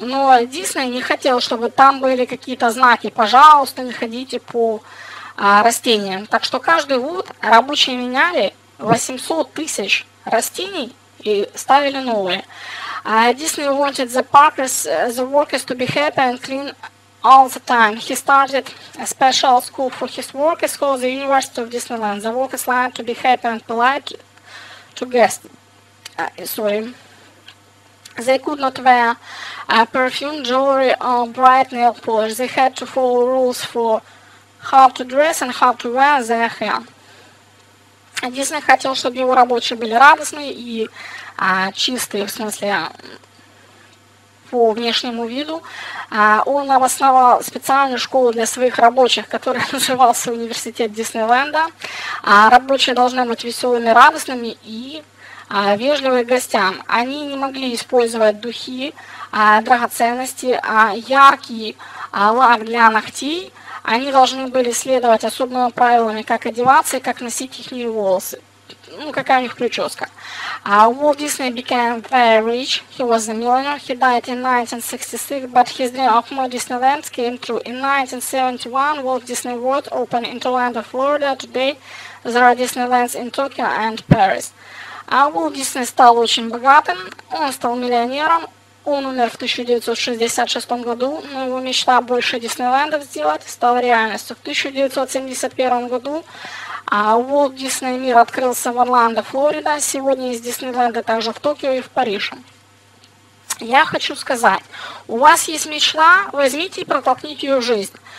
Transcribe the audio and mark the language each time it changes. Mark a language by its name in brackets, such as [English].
[Russian] Но Дисней не хотел, чтобы там были какие-то знаки. Пожалуйста, не ходите по растения. Так что каждый год рабочие меняли 800 тысяч растений и ставили новые. [English] Disney wanted the parkers, the workers to be happy and clean all the time. He started a special school for his workers called the University of Disneyland. The workers like to be happy and polite to guests. They could not wear perfume, jewelry or bright nail polish. They had to follow rules for how to dress and how to wear their hair. [Russian] Дисней хотел, чтобы его рабочие были радостные и чистые, в смысле, по внешнему виду. Он основал специальную школу для своих рабочих, которая называлась Университет Диснейленда. Рабочие должны быть веселыми, радостными и вежливыми гостям. Они не могли использовать духи, драгоценности, яркий лак для ногтей. Они должны были следовать особыми правилами, как одеваться и как носить их волосы. Ну, какая у них прическа. [English] Walt Disney became very rich. He was a millionaire. He died in 1966, but his dream of more Disneyland came true. In 1971, Walt Disney World opened in Orlando, Florida. Today there are Disneylands in Tokyo and Paris. [Russian] Walt Disney стал очень богатым. Он стал миллионером. Он умер в 1966 году, но его мечта больше Диснейлендов сделать стала реальностью. В 1971 году Walt Disney мир открылся в Орландо, Флорида. Сегодня из Диснейленда также в Токио и в Париже. Я хочу сказать, у вас есть мечта, возьмите и протолкните ее в жизнь.